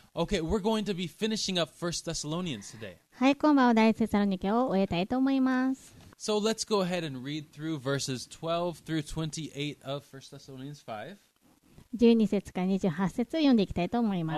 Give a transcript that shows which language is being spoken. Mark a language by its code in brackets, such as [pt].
[en] Okay, we're going to be finishing up 1 Thessalonians today. [ja] はい、今晩は第1テサロニケを終えたいと思います。 [en] So let's go ahead and read through verses 12 through 28 of 1 Thessalonians 5. [ja] 12節から28節を読んでいきたいと思います。